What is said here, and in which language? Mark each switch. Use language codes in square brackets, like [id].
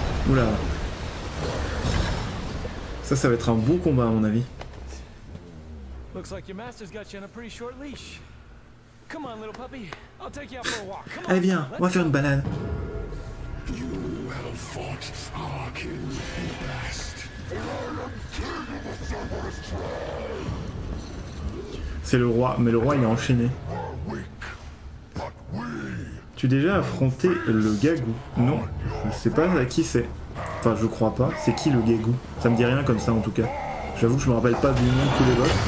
[fr] Oula. Ça va être un bon combat à mon avis. [en] Looks like your master's got you on a pretty short leash. Come on, little puppy. I'll take you out for a walk. Come on. [fr] Allez viens, on va faire une balade. [en] You have fought Arkin the best. [fr] C'est le roi, mais le roi il est enchaîné. Tu as déjà affronté le Gagou? Non, je sais pas à qui c'est. Enfin, je crois pas. C'est qui le Gagou? Ça me dit rien comme ça en tout cas. J'avoue que je me rappelle pas du nom de tous les boss.